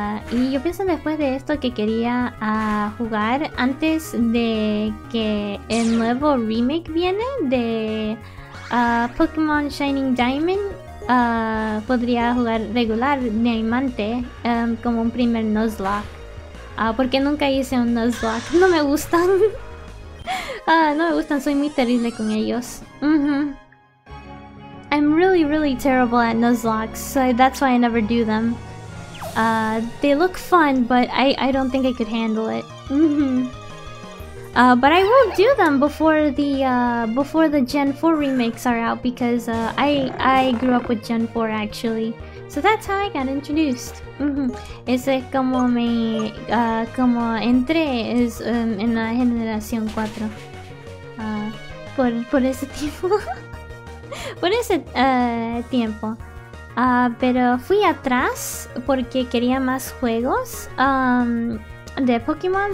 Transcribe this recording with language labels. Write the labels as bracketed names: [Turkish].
[Spanish] Y yo pienso después de esto que quería jugar antes de que el nuevo remake viene de Pokémon Shining Diamond. Podría jugar regular Diamante como un primer Nuzlocke. Porque nunca hice un Nuzlocke. No me gustan. no me gustan, soy muy terrible con ellos. [English] I'm really, really terrible at Nuzlocke, so that's why I never do them. They look fun, but I don't think I could handle it. But I will do them before the Gen 4 remakes are out, because I grew up with Gen 4 actually. So that's how I got introduced. [Spanish] Ese es como me como entré es en la generación 4. Por ese tiempo. Por ese tiempo. Pero fui atrás porque quería más juegos de Pokémon.